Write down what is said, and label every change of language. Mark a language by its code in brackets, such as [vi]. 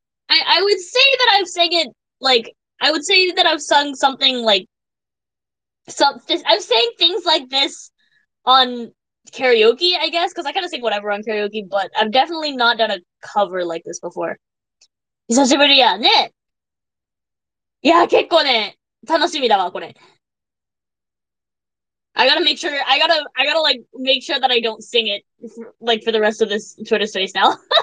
[en] I would say that I've sang it like I would say that I've sung something like some this I've sang things like this on karaoke, I guess, because I kind of sing whatever on karaoke, but I've definitely not done a cover like this before. [ja] 久しぶりやね。いや、結構ね、楽しみだわ、これ。 [en] I gotta like make sure that I don't sing it for, like for the rest of this Twitter space now.